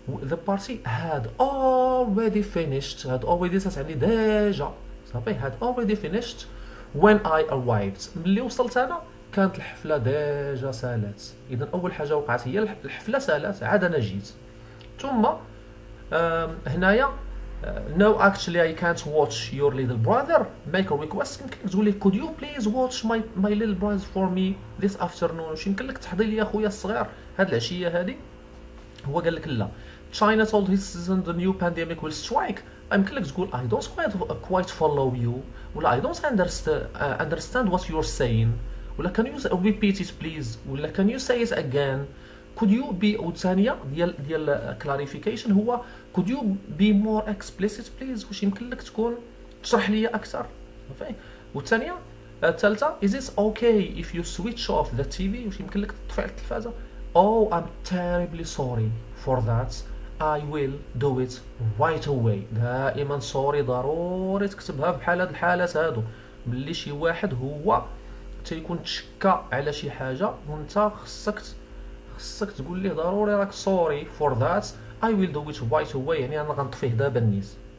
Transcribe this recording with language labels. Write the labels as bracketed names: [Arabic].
[English] The party had already finished. Had already said deja. [Arabic] صافي، [English] had already finished when I arrived. [Arabic] ملي وصلت أنا كانت الحفلة ديجا سالت. إذا أول حاجة وقعت هي الحفلة سالت، عاد أنا جيت. ثم هنايا [English] no actually I can't watch your little brother. Make a request. [Arabic] يمكن تقول لي [English] could you please watch my little brother for me this afternoon؟ [Arabic] واش يمكن لك تحضر لي أخويا الصغير هاد العشية هادي؟ هو قال لك لا. [English] China told his citizen the new pandemic will strike. [Arabic] يمكن لك تقول [English] I don't quite follow you، [Arabic] ولا [English] I don't understand what you're saying، ولا can you repeat it please، ولا can you say it again، could you be، [Arabic] وثانية ديال [English] clarification هو could you be more explicit please، [Arabic] واش يمكن لك تكون تشرح لي أكثر. وثانية الثالثة [English] is it okay if you switch off the TV، [Arabic] واش يمكن لك تطفي التلفازة. [English] Oh I'm terribly sorry for that، I will do it right away. [Arabic] دائما سوري ضروري تكتبها في حالة الحالات هادو، ملي شي واحد هو تيكون تشكى على شي حاجة وانت خصك تقول ليه ضروري راك سوري [English] for that، I will do it right away، [Arabic] يعني انا غنطفيه دابا نيس.